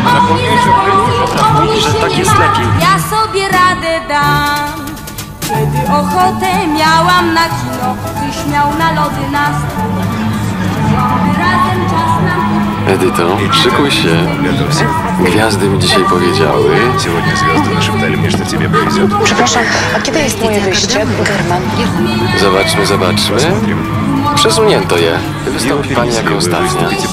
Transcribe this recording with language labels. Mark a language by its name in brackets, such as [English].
[Polish] O mnie zapomnij, o mnie się nie martw, ja sobie radę dam. Kiedy ochotę miałam na kino, tyś miał na lody nas. Razem czas nam. Edyto, szykuj się. Gwiazdy mi dzisiaj powiedziały. [Russian] Сегодня звезды нашептали мне, что тебе повезет. [Polish] Przepraszam, a kiedy jest moje wyjście? German. Zobaczmy, zobaczmy. Przesunięto je. Wystąpi pani jako ostatnia.